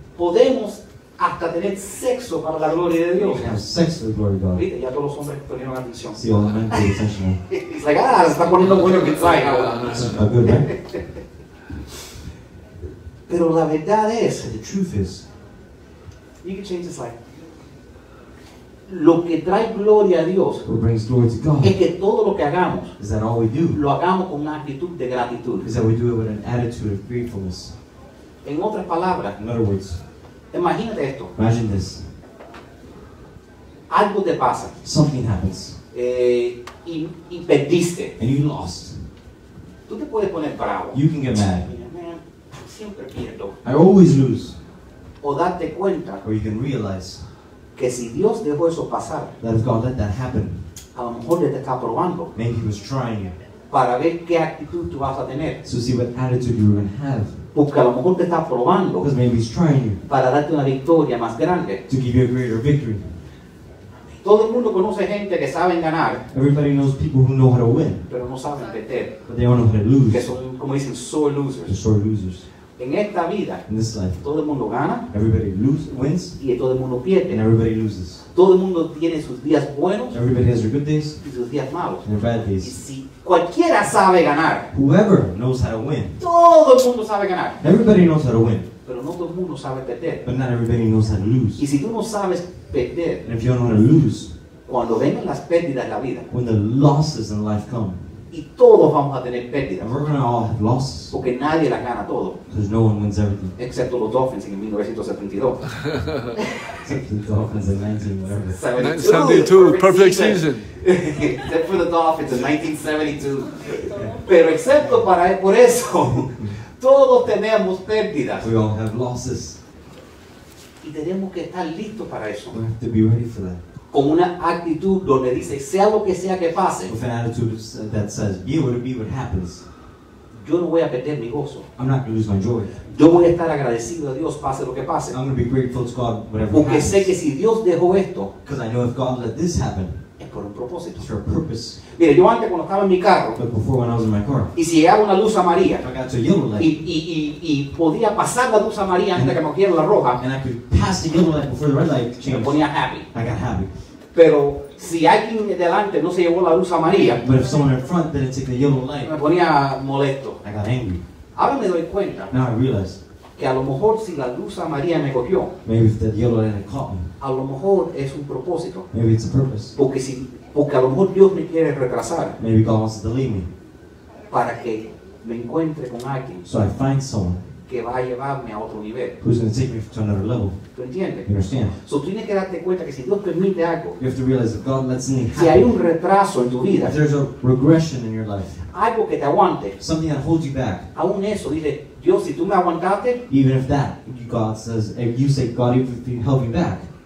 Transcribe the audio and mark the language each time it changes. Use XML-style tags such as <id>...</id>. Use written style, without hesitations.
<es>Podemos hasta tener sexo para la gloria de Dios.</es> <en>Sex for the glory of God.</en> <es>Ya todos los hombres ponieron atención.</es> <en>See, all the men pay attention. He's like,</en> <es>ah, se está poniendo bueno que traiga.</es> <en>A good man.</en> <es>Pero la verdad es,</es> <en>the truth is, you can change the slide.</en> <es>Lo que trae gloria a Dios</es> <en>brings glory to God</en> <es>es que todo lo que hagamos</es> <en>is that all we do,</en> <es>lo hagamos con una actitud de gratitud.</es> <en>Is that we do it with an attitude of gratefulness.</en> <es>En otras palabras,</es> <en>in other words,</en> <es>imagínate esto.</es> <en>Imagine this.</en> <es>Algo te pasa.</es> <en>Something happens.</en> <es>Y perdiste.</es> <en>And you lost.</en> <es>Tú te puedes poner bravo.</es> <en>You can get mad.</en> <es>Man, siempre pierdo.</es> <en>I always lose.</en> <es>O darte cuenta.</es> <en>Or you can realize</en> <es>que si Dios dejó eso pasar,</es> <en>that if God let that happen,</en> <es>a lo mejor te está probando.</es> <en>Maybe he was trying it.</en> <es>Para ver qué actitud tú vas a tener.</es> <en>So see what attitude you're going to have.</en> <es>Porque a lo mejor te está probando para darte una victoria más grande.</es> <en>To give you a greater victory.</en> <es>Todo el mundo conoce gente que saben ganar.</es> <en>Everybody knows people who know how to win.</en> <es>Pero no saben perder.</es> <en>But they don't know how to lose.</en> <es>Que son, como dicen,</es> <en>sore losers. They're sore losers.</en> <es>En esta vida,</es> <en>in this life,</en> <es>todo el mundo gana.</es> <en>Everybody wins.</en> <es>Y todo el mundo pierde.</es> <en>And everybody loses.</en> <es>Todo el mundo tiene sus días buenos.</es> <en>Everybody has their good days.</en> <es>Y sus días malos.</es> <en>And their bad days.</en> <es>Y si cualquiera sabe ganar.</es> <en>Whoever knows how to win.</en> <es>Todo el mundo sabe ganar.</es> <en>Everybody knows how to win.</en> <es>Pero no todo el mundo sabe perder.</es> <en>But not everybody knows how to lose.</en> <es>Y si tú no sabes perder.</es> <en>And if you don't know how to lose.</en> <es>Cuando vengan las pérdidas en la vida.</es> <en>When the losses in life come.</en> <es>Y todos vamos a tener pérdidas.</es> <en>We're going to all have losses.</en> <es>Porque nadie las gana todo.</es> <en>Because no one wins everything.</en> <es>Excepto los Dolphins en 1972.</es> <en>Except the Dolphins in 1972. Perfect season. Except for the Dolphins in 1972.</en> <es>Pero excepto para por eso, todos tenemos pérdidas.</es> <en>We all have losses.</en> <es>Y tenemos que estar listos para eso.</es> <en>We have to be ready for that.</en> <es>Con una actitud donde dice, sea lo que sea que pase.</es> <en>With an attitude that says, be what it be what happens.</en> <es>Yo no voy a perder mi gozo.</es> <en>I'm not going to lose my joy.</en> <es>Yo voy a estar agradecido a Dios, pase lo que pase.</es> <en>I'm going to be grateful to God, whatever happens.</en> <es>Porque sé que si Dios dejó esto.</es> <en>Because I know if God let this happen.</en> <es>Es por un propósito.</es> <en>It's for a purpose.</en> <es>Mire, yo antes cuando estaba en mi carro.</es> <en>But before when I was in my car.</en> <es>Y si llegaba una luz amarilla.</es> <en>I got to yellow light.</en> <es>Y podía pasar la luz amarilla antes de que me quiera la roja.</es> <en>And I could pass the yellow light before the red light changed.</en> <es>Me ponía happy.</es> <en>I got happy.</en> <es>Pero si alguien delante no se llevó la luz amarilla.</es> <en>But if someone in front didn't take the yellow light.</en> <es>Me ponía molesto.</es> <en>I got angry.</en> <es>Ahora me doy cuenta.</es> <en>Now I realize.</en> <es>Que a lo mejor si la luz amarilla me cogió.</es> <en>Maybe if the yellow light had caught me.</en> <es>A lo mejor es un propósito.</es> <en>Maybe it's a purpose.</en> <es>Porque si, porque a lo mejor Dios me quiere retrasar.</es> <en>Maybe God wants to delay me.</en> <es>Para que me encuentre con alguien.</es> <en>So I find someone.</en> <es>Que va a llevarme a otro nivel.</es> <en>Who's going to take me to another level.</en> <es>¿Tú entiendes?</es> <en>You understand.</en> <es>So tienes que darte cuenta que si Dios permite algo.</es> <en>You have to realize that God lets me happen.</en> <es>Si hay un retraso en tu vida.</es> <en>If there's a regression in your life.</en> <es>Algo que te aguante.</es> <en>Something that holds you back.</en> <es>Aún eso, dice Dios, si tú me aguantaste.</es> <en>Even if that, God says, if you say, God, if you've been held me back.</en>